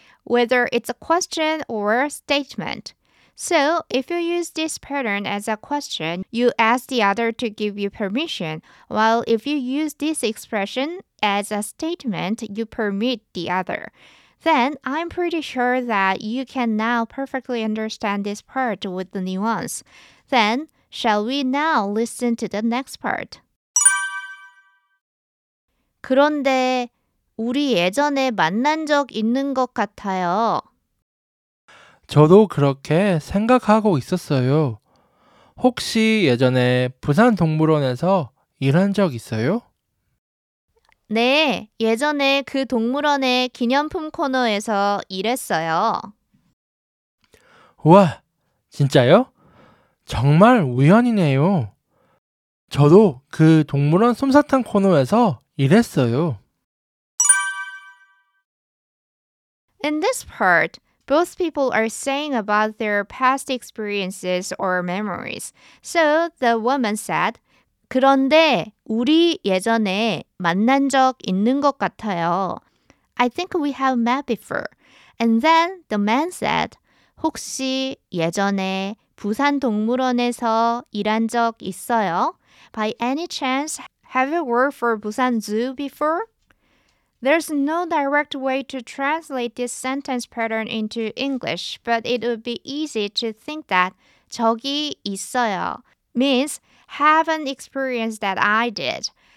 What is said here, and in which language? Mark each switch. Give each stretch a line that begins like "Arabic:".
English: whether it's a question or a statement. So, if you use this pattern as a question, you ask the other to give you permission, while if you use this expression as a statement, you permit the other. Then, I'm pretty sure that you can now perfectly understand this part with the nuance. Then, shall we now listen to the next part?
Korean: 그런데 우리 예전에 만난 적 있는 것 같아요. 저도 그렇게 생각하고 있었어요. 혹시 예전에 부산 동물원에서 일한 적 있어요? 네, 예전에 그 동물원의 기념품 코너에서 일했어요. 우와, 진짜요? 정말 우연이네요. 저도 그 동물원 솜사탕 코너에서 일했어요.
English: In this part, both people are saying about their past experiences or memories. So, the woman said,
Korean: 그런데 우리 예전에 만난 적 있는 것 같아요.
English: I think we have met before. And then the man said,
Korean: 혹시 예전에 부산 동물원에서 일한 적 있어요?
English: By any chance, have you worked for Busan Zoo before? There's no direct way to translate this sentence pattern into English, but it would be easy to think that
Korean: 저기 있어요
English: means have an experience that I did.